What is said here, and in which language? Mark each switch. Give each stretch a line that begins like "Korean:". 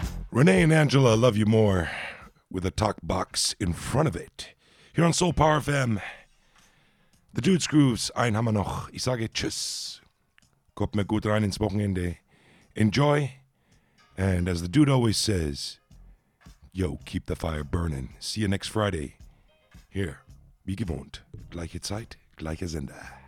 English: Renee and Angela, Love You More, with a talk box in front of it. Here on Soul Power FM, The Dude's Grooves,
German: ein haben wir noch. Ich sage tschüss. Kommt mir gut rein ins Wochenende.
English: Enjoy. And as the dude always says, yo, keep the fire burning. See you next Friday. Here,
German: wie gewohnt. Gleiche Zeit, gleicher Sender.